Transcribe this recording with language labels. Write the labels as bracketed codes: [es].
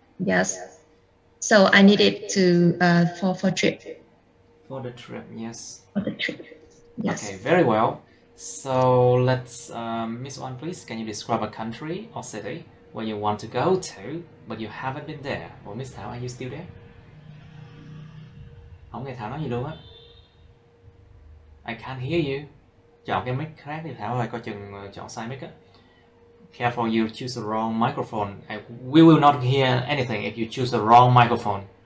[en] Yes. So I need it to for trip. For the trip, yes. For the trip, yes. Okay, very well. So let's, Miss Wan, please, can you describe a country or city where you want to go to, but you haven't been there? Well, Miss Thảo, are you still there? [vi] Không nghe Thảo nói gì luôn á. [en] I can't hear you. [vi] Chọn cái mic khác thì Thảo ơi, coi chừng chọn sai mic á. [en] Careful, you choose the wrong microphone. We will not hear anything if you choose the wrong microphone.